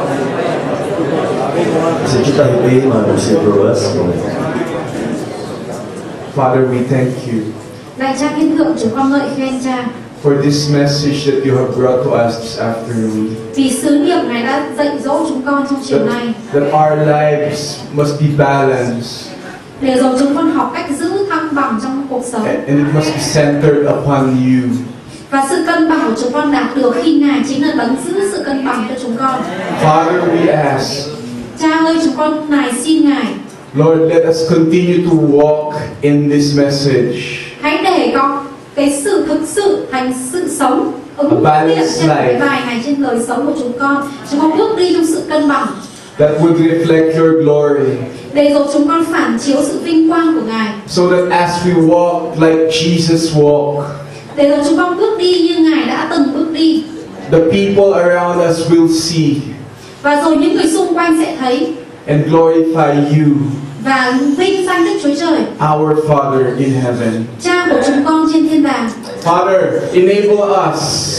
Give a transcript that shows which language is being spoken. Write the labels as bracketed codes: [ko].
[vi] Chúng ta đi mời Mục sư Robert. [en] Father, we thank you. [vi] Lạy Cha kính thượng, chúng con ngợi khen Cha. [en] For this message that you have brought to us this afternoon. [vi] Vì sứ nghiệp Ngài đã dạy dỗ chúng con trong chiều nay. [en] That our lives must be balanced. [vi] Để rồi chúng con học cách giữ thăng bằng trong cuộc sống. [en] And it must be centered upon you. [vi] Và sự cân bằng của chúng con đạt được khi Ngài chính là đấng giữ sự cân bằng cho chúng con. [en] Father, we ask. [vi] Cha ơi, chúng con nài xin Ngài. [en] Lord, let us continue to walk in this message. [vi] Hãy để có cái sự thực sự thành sự sống ứng nghiệm trên cái bài này, trên đời sống của chúng con. Chúng con bước đi trong sự cân bằng. [en] That would reflect your glory. [vi] Để rồi chúng con phản chiếu sự vinh quang của Ngài. [en] So that as we walk like Jesus walked. [vi] Để rồi chúng con bước đi như Ngài đã từng bước đi. [en] The people around us will see. [vi] Và rồi những người xung quanh sẽ thấy. [en] And glorify you. [vi] Và vinh danh Đức Chúa Trời. [en] Our Father in heaven. [vi] Cha của chúng con trên thiên đàng. [en] Father, enable us.